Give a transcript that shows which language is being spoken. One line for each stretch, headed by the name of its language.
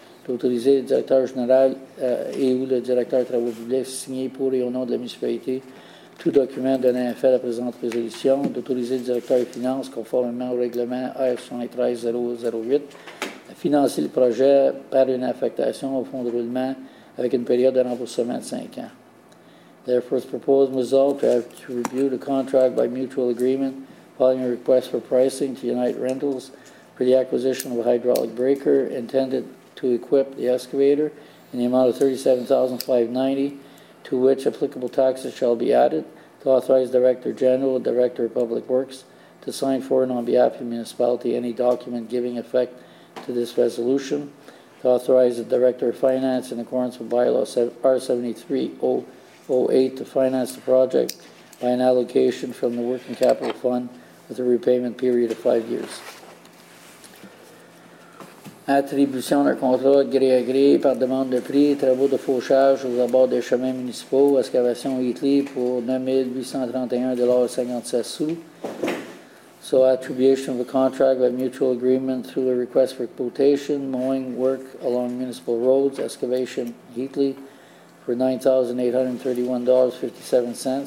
French: D'autoriser le directeur général et ou le directeur des travaux publics signer pour et au nom de la municipalité tout document donnant effet à la présente résolution. D'autoriser le directeur des finances conformément au règlement R73008 financer le projet par une affectation au fonds de roulement avec une période de remboursement de 5 ans.
English: Therefore, the proposed result to have to review the contract by mutual agreement following a request for pricing to United Rentals for the acquisition of a hydraulic breaker intended to equip the excavator in the amount of $37,590, to which applicable taxes shall be added, to authorize Director General and Director of Public Works to sign for and on behalf of the municipality any document giving effect to this resolution, to authorize the Director of Finance in accordance with Bylaw R73008 to finance the project by an allocation from the Working Capital Fund with a repayment period of 5 years.
French: Attribution d'un contrat gré à gré par demande de prix, travaux de fauchage aux abords des chemins municipaux, excavation utile pour $9,831.56.
English: So, attribution of a contract by mutual agreement through a request for quotation, mowing work along municipal roads, excavation, Heatley, for $9,831.57.